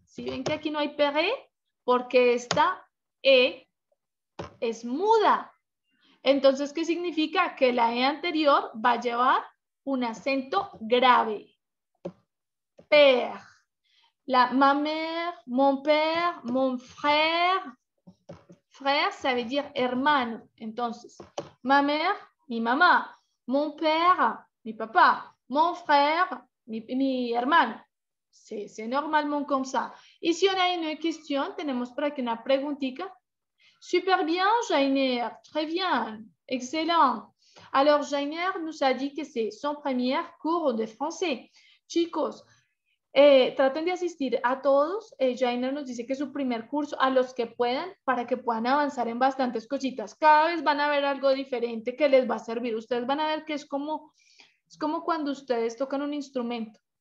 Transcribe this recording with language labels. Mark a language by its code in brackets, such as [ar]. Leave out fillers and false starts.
[es] Si ven que aquí no hay peré, porque esta E es muda. Entonces, ¿qué significa? Que la E anterior va a llevar un acento grave. [fr] Per. La mamer, mon père, mon frère. Frère, ça veut dire hermano. Entonces, ma mère, [es] mi mamá. [fr] Mon père, [es] mi papá. [fr] Mon frère, [es] mi hermano. [fr] C'est normalement comme ça. [es] Y [fr] si on a une question, [es] tenemos por aquí una preguntita. [fr] Super bien, Jainer. Très bien. Excellent. Alors, Jainer nous a dit que c'est son premier cours de français. [es] Chicos, traten de asistir a todos. Jainer nos dice que es su primer curso, a los que puedan, para que puedan avanzar en bastantes cositas. Cada vez van a ver algo diferente que les va a servir. Ustedes van a ver que es como cuando ustedes tocan un instrumento.